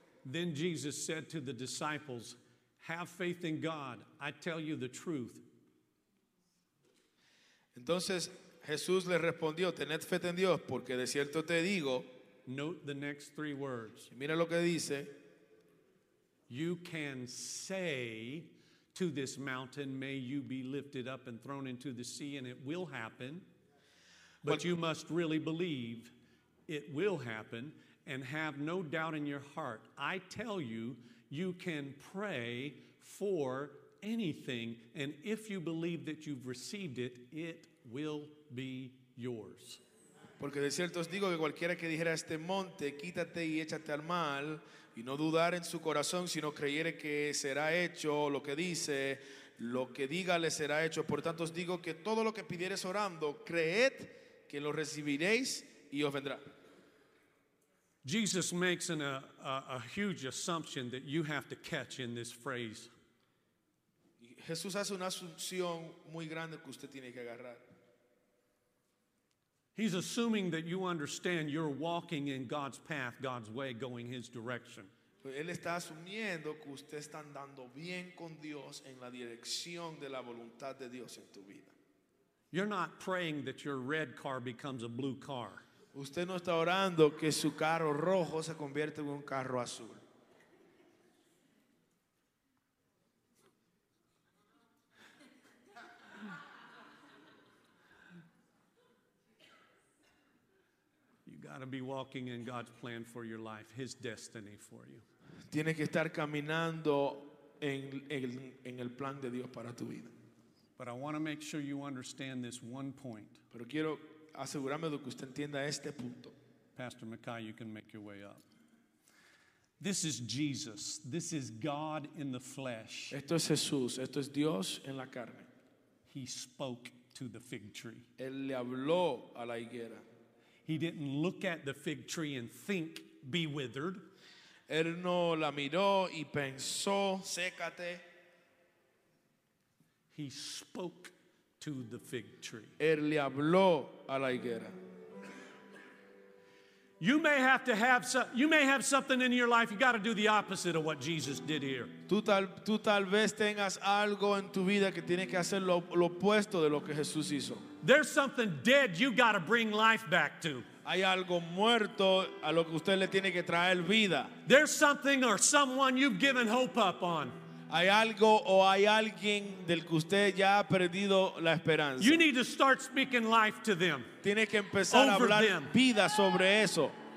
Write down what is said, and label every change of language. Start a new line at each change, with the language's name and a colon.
English: Then Jesus said to the disciples, "Have faith in God. I tell you the truth."
Spanish: Entonces Jesús le respondió, "Tened fe en Dios, porque de cierto te digo."
English: Note the next three words.
Spanish: Mira lo que dice.
English: You can say to this mountain, "May you be lifted up and thrown into the sea," and it will happen. But you must really believe it will happen and have no doubt in your heart. I tell you, you can pray for anything, and if you believe that you've received it, it will be yours.
Spanish: Porque de cierto os digo que cualquiera que dijera a este monte, quítate y échate al mar, y no dudar en su corazón, sino creyere que será hecho lo que dice, lo que diga le será hecho. Por tanto os digo que todo lo que pidieres orando, creed que lo recibiréis y os vendrá.
English: Jesus makes a huge assumption that you have to catch in this phrase.
Spanish: Jesús hace una asunción muy grande que usted tiene que agarrar.
English: He's assuming that you understand you're walking in God's path, God's way, going His direction.
Spanish: Él está asumiendo que usted está andando bien con Dios en la dirección de la voluntad de Dios en tu vida.
English: You're not praying that your red car becomes a blue car.
Spanish: Usted no está orando que su carro rojo se convierta en un carro azul.
English: Got to be walking in God's plan for your life, His destiny for you.
Spanish: Tiene que estar caminando en el plan de Dios para tu vida.
English: But I want to make sure you understand this one point.
Spanish: Pero quiero asegurarme de que usted entienda este punto.
English: Pastor Mackay, you can make your way up. This is Jesus. This is God in the flesh.
Spanish: Esto es Jesús. Esto es Dios en la carne.
English: He spoke to the fig tree.
Spanish: Él le habló a la higuera.
English: He didn't look at the fig tree and think, "Be withered."
Spanish: Él no la miró y pensó, "Sécate."
English: He spoke to the fig tree.
Spanish: Él le habló a la higuera.
English: You may have to have something in your life. You got to do the opposite of what Jesus did here.
Spanish: Tú tal vez tengas algo en tu vida que tienes que hacer lo opuesto de lo que Jesús hizo.
English: There's something dead you got to bring life back to.
Spanish: Hay algo muerto a lo que usted le tiene que traer vida.
English: There's something or someone you've given hope up on.
Spanish: Hay algo o hay alguien del que usted ya ha perdido la esperanza.
English: You need to start speaking life to them.
Spanish: Tiene que empezar a hablar vida sobre eso.